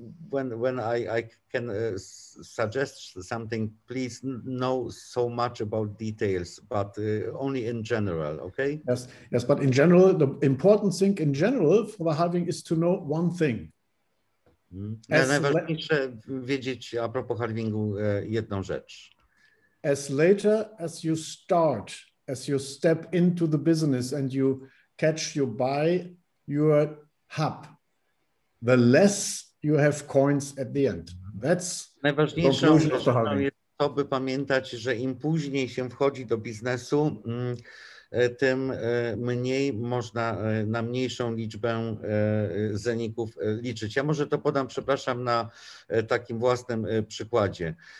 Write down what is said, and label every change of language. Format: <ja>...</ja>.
<en>When I can suggest something, please know so much about details, but only in general, okay? Yes, but in general, the important thing in general for the halving is to know one thing.</en> <pl>Najważniejsze wiedzieć a propos halvingu jedną rzecz.</pl> <en>As later as you start, as you step into the business and you catch, you buy your hub, the less you have coins at the end. That's</en> <pl>najważniejsze jest to, by pamiętać, że im później się wchodzi do biznesu, tym mniej można na mniejszą liczbę zeników liczyć. Ja może to podam, przepraszam, na takim własnym przykładzie.</pl>